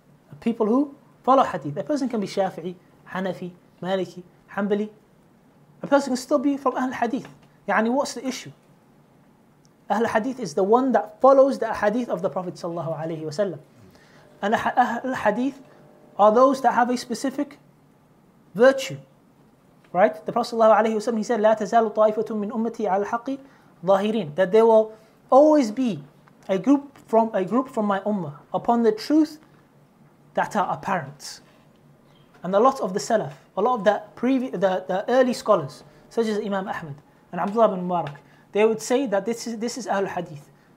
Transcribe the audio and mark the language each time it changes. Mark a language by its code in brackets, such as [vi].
[en] The people who follow Hadith. A person can be Shafi'i, Hanafi, Maliki, Hanbali. A person can still be from Ahlul Hadith. Yani, what's the issue? Ahlul Hadith is the one that follows the Hadith of the Prophet sallallahu alayhi wa sallam. And Ahlul Hadith are those that have a specific virtue. Right? The Prophet sallallahu alayhi wa sallam, he said, [ar] لا تزال طائفة من أمتي على الحق ظاهرين. [en] That there will always be a group from my ummah upon the truth that are apparent. And a lot of the Salaf, a lot of the early scholars, such as Imam Ahmad and Abdullah ibn Mubarak, they would say that this is Ahlul Hadith.